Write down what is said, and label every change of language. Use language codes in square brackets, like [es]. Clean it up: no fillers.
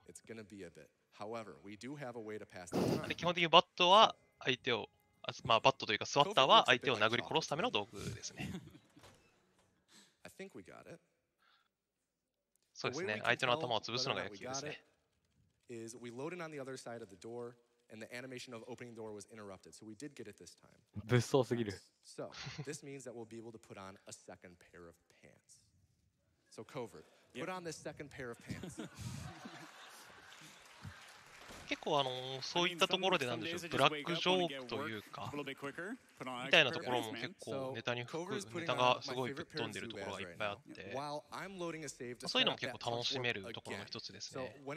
[ja] で基本的にバットは相手を、まあ、バットというかスワッターは相手を殴り殺すための道具ですね。そうですね、相手の頭を潰すのが野球ですね。 [en] Is we loaded on the other side of the door, and the animation of opening the door was interrupted. So we did get it this time. [ja] 物騒すぎる。 [en] So this means that we'll be able to put on a second pair of pants. So Covert, put on this second pair of pants. [ja] 結構そういったところでなんでしょう、ブラックジョークというかみたいなところも結構ネタに含むネタがすごいぶっ飛んでるところがいっぱいあって、そういうのも結構楽しめるところの一つですね。